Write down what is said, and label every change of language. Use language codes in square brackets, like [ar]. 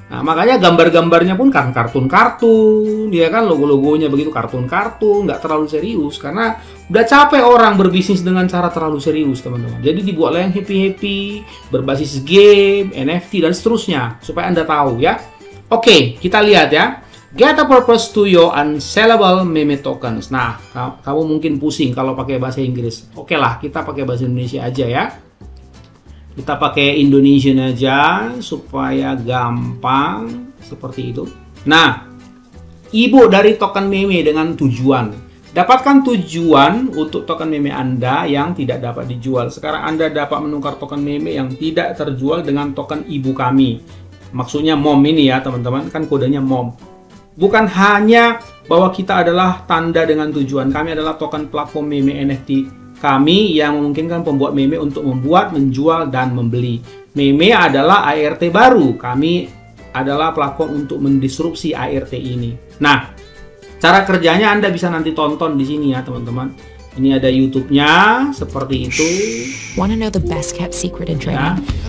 [id] Nah, makanya gambar-gambarnya pun kan kartun-kartun, ya kan logo-logonya begitu kartun-kartun, nggak terlalu serius karena udah capek orang berbisnis dengan cara terlalu serius, teman-teman. Jadi dibuatlah yang happy-happy, berbasis game, NFT, dan seterusnya, supaya Anda tahu ya. Oke, kita lihat ya. [en] Get a purpose to your unsellable meme tokens. [id] Nah, kamu mungkin pusing kalau pakai bahasa Inggris. Oke lah, kita pakai bahasa Indonesia aja ya. Kita pakai Indonesian aja supaya gampang, seperti itu. Nah, ibu dari token meme dengan tujuan. Dapatkan tujuan untuk token meme Anda yang tidak dapat dijual. Sekarang Anda dapat menukar token meme yang tidak terjual dengan token ibu kami. Maksudnya mom ini ya, teman-teman. Kan kodenya mom. Bukan hanya bahwa kita adalah tanda dengan tujuan. Kami adalah token platform meme NFT kami yang memungkinkan pembuat meme untuk membuat, menjual, dan membeli. Meme adalah ART baru. Kami adalah platform untuk mendisrupsi ART ini. Nah, cara kerjanya Anda bisa nanti tonton di sini ya, teman-teman. Ini ada YouTube-nya, seperti itu. [en] Want to know the best kept secret in trading?